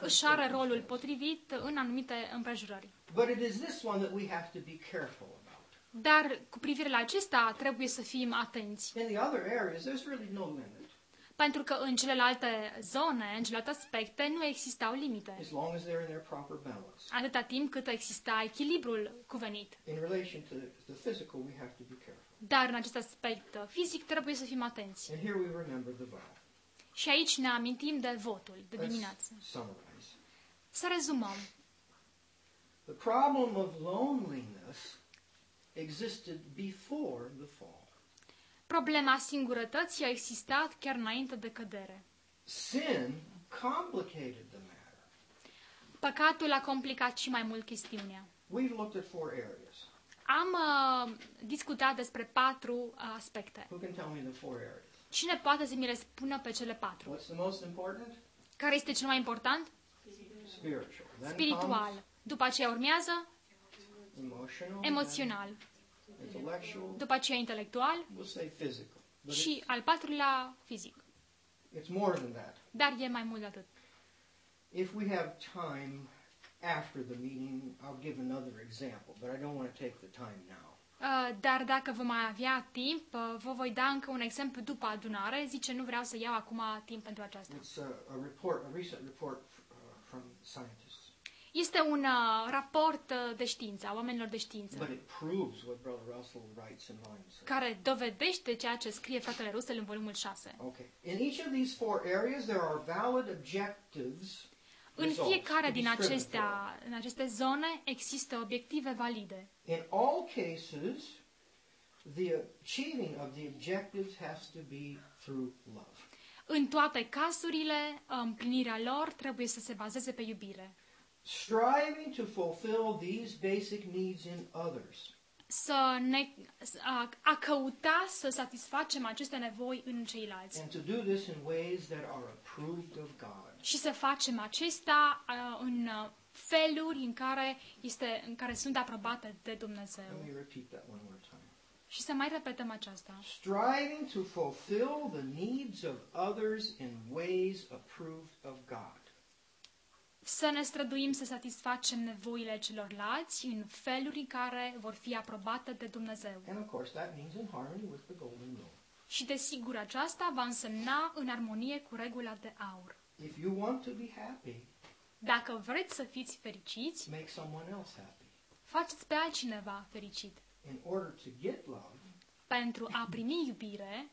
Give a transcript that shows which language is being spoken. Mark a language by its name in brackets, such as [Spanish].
[Romanian] își are rolul potrivit în anumite împrejurări. [English] But it is this one that we have to be careful about. [Romanian] Dar cu privire la acesta trebuie să fim atenți. [English] In the other areas, there's really no limit. [Romanian] Pentru că în celelalte zone, în celelalte aspecte, nu existau limite. [English] As long as they're in their proper balance. [Romanian] Atâta timp cât exista echilibrul cuvenit. [English] In relation to the physical, we have to be careful. [Romanian] Dar în acest aspect fizic trebuie să fim atenți. [English] And here we remember the vow. [Romanian] Și aici ne amintim de votul de dimineață. Să rezumăm. [English] The problem of loneliness existed before the fall. [Romanian] Problema singurătății a existat chiar înainte de cădere. [English] Sin complicated the matter. [Romanian] Păcatul a complicat și mai mult chestiunea. [English] We've looked at four areas. [Romanian] Am discutat despre patru aspecte. [English] Who can tell me the four areas? [Romanian] Cine poate să mi le spună pe cele patru? [English] What's the most important? [Romanian] Care este cel mai important? [English] Spiritual. Then [Romanian] spiritual. După aceea urmează? [English] Emotional. [Romanian] Emoțional. [English] Intellectual. [Romanian] După aceea intelectual. [English] We'll say physical. [Romanian] Și al patrulea fizic. [English] It's more than that. [Romanian] Dar e mai mult de atât. [English] If we have time after the meeting, I'll give another example, but I don't want to take the time now. [Romanian] Dar dacă vom mai avea timp, vă voi da încă un exemplu după adunare. Zice, nu vreau să iau acum timp pentru aceasta. [English] It's a report, a recent report from scientists. [Romanian] Este un raport de știință, a oamenilor de știință. [English] But it proves what Brother Russell writes in volume 6. [Romanian] Care dovedește ceea ce scrie fratele Russell în volumul 6. [English] Okay. In each of these four areas there are valid objectives. [Romanian] În fiecare din acestea, în aceste zone există obiective valide. [English] In all cases the achieving of the objectives has to be through love. [Romanian] În toate cazurile, împlinirea lor trebuie să se bazeze pe iubire. [English] Striving to fulfill these basic needs in others. [Romanian] Să ne a căuta să satisfacem aceste nevoi în ceilalți. [English] And to do this in ways that are approved of God. [Romanian] Și să facem acestea în feluri în care este în care sunt aprobate de Dumnezeu. [English] Let me repeat that one more time. [Romanian] Și să mai repetăm aceasta. [English] Striving to fulfill the needs of others in ways approved of God. [Romanian] Să ne străduim să satisfacem nevoile celorlalți în feluri care vor fi aprobate de Dumnezeu. [English] And of course, that means in harmony with the golden rule. [Romanian] Și desigur aceasta va însemna în armonie cu regula de aur. [English] If you want to be happy, [Romanian] dacă vreți să fiți fericiți, [English] make someone else happy. [Romanian] Faceți pe altcineva fericit. [English] In order to get love, [Romanian] pentru a primi iubire,